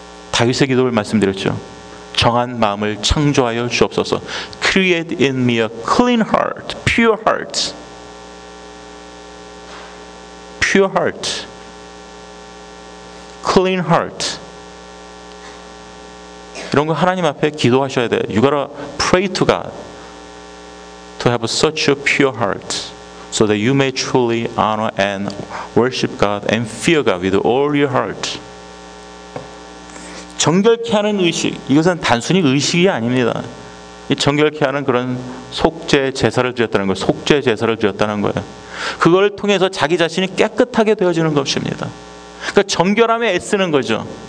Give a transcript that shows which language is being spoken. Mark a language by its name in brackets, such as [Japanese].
[Korean] 다윗의 기도를 말씀드렸죠. 정한 마음을 창조하여 주옵소서. [English] Create in me a clean heart, pure heart. Pure heart. Clean heart. [Korean] 이런 거 하나님 앞에 기도하셔야 돼요. [English] You gotta pray to God to have such a pure heart so that you may truly honor and worship God and fear God with all your heart. [Korean] 정결케 하는 의식, 이것은 단순히 의식이 아닙니다. 이 정결케 하는 그런 속죄 제사를 드렸다는 거예요. 속죄 제사를 드렸다는 거예요. 그걸 통해서 자기 자신이 깨끗하게 되어지는 것입니다. 그러니까 정결함에 애쓰는 거죠.